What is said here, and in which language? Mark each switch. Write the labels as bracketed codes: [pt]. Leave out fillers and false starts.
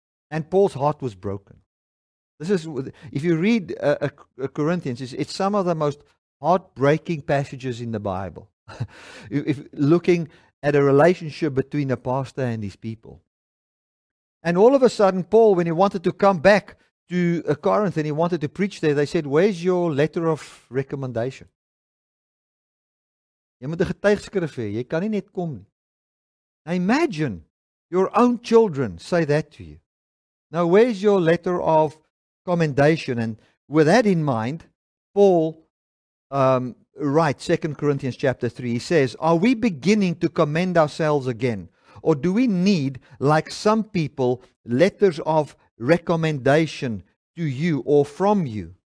[en] And Paul's heart was broken. This is, if you read Corinthians, it's some of the most heartbreaking passages in the Bible. If looking at a relationship between a pastor and his people. And all of a sudden, Paul, when he wanted to come back to Corinth and he wanted to preach there, they said, where's your letter of recommendation? [af] Jy moet 'n getuigskrif hê, jy kan nie net kom nie. [en] Now imagine your own children say that to you. Now where's your letter of commendation? And with that in mind, Paul writes 2 Corinthians chapter 3. He says, are we beginning to commend ourselves again? Or do we need, like some people, letters of recommendation to you or from you?